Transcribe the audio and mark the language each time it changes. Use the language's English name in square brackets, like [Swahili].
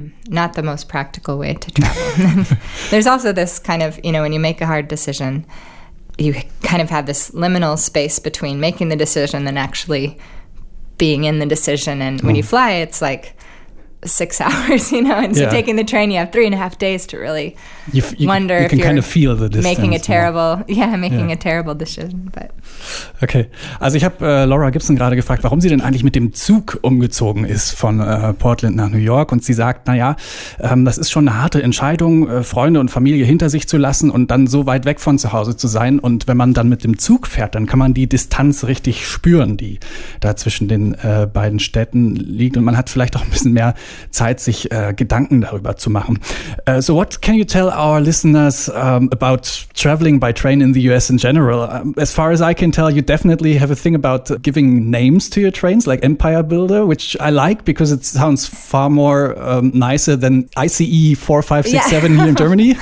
[English] Not the most practical way to travel. There's also this kind of, you know, when you make a hard decision, you kind of have this liminal space between making the decision and actually being in the decision. And when you fly, it's like 6 hours, you know. And so taking the train, you have 3.5 days to really wonder if you're kind of feel the distance, making a terrible, a terrible decision. But okay. [German] Also ich habe Laura Gibson gerade gefragt, warum sie denn eigentlich mit dem Zug umgezogen ist von Portland nach New York. Und sie sagt, das ist schon eine harte Entscheidung, Freunde und Familie hinter sich zu lassen und dann so weit weg von zu Hause zu sein. Und wenn man dann mit dem Zug fährt, dann kann man die Distanz richtig spüren, die da zwischen den beiden Städten liegt. Und man hat vielleicht auch ein bisschen mehr Zeit, sich Gedanken darüber zu machen. [English] So what can you tell our listeners about traveling by train in the US in general? As far as I can tell, you definitely have a thing about giving names to your trains, like Empire Builder, which I like because it sounds far more nicer than ICE 4567 here in Germany.